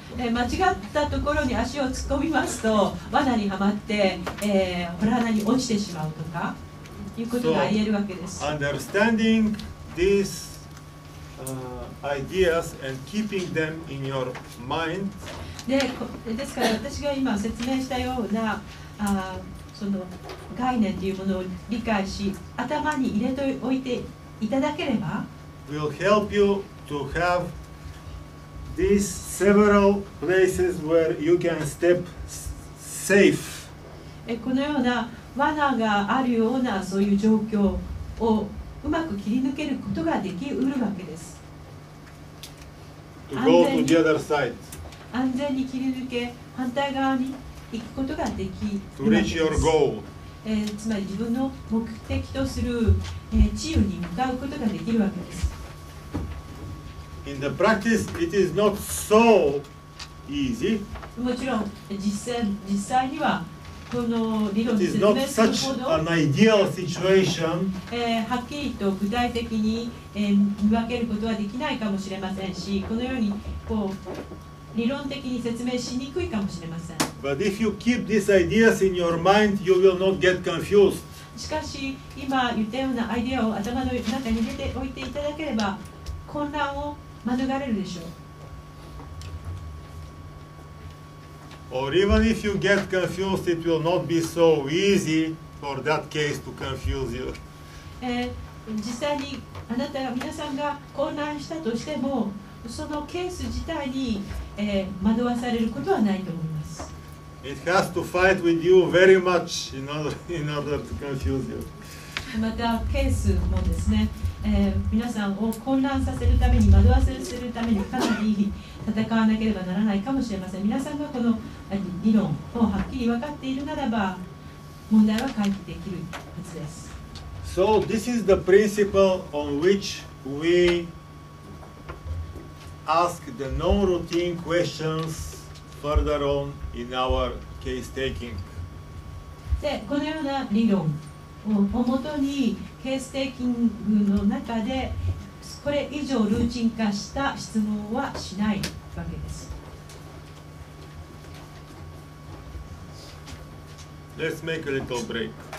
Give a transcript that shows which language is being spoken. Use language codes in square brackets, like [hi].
[ja] 間違ったところに足を突っ込みますと罠にはまって、ほら穴に落ちてしまうとかいうことがありえるわけです。 [en] So, understanding these ideas and keeping them in your mind. [ja] ですから私が今説明したようなその概念というものを理解し頭に入れておいていただければ [en] will help you to have these several places where you can step safe. [ja] このような罠があるようなそういう状況をうまく切り抜けることができうるわけです。 [en] To go to the other side. [ja] 安全に切り抜け反対側に行くことができるわけです。 [en] To reach your goal. [ja] つまり自分の目的とする、治癒に向かうことができるわけです。 [en] In the practice, it is not so easy. [ja] もちろん実際にはこの理論説明するほど [en] It is not such an ideal situation. [ja] はっきりと具体的に、見分けることはできないかもしれませんし、このようにこう理論的に説明しにくいかもしれません。 [en] But if you keep these ideas in your mind, you will not get confused. [ja] しかし、今言ったようなアイデアを頭の中に入れておいていただければ、混乱を免れるでしょう。 [en] Or even if you get confused, it will not be so easy for that case to confuse you. [ja] 実際にあなたが皆さんが混乱したとしても、そのケース自体に、惑わされることはないと思います。 [en] It has to fight with you very much in order to confuse you. [ja] また、ケースもですね、皆さんを混乱させるために、惑わせするためにかなり戦わなければならないかもしれません。皆さんがこの理論をはっきり分かっているならば、問題は回避できるはずです。 [en] So this is the principle on which we ask the non-routine questions further on in our case taking。 [ja] で、このような理論をもとにケーステイキングの中で、これ以上ルーチン化した質問はしないわけです。 [en] Let's make a little break。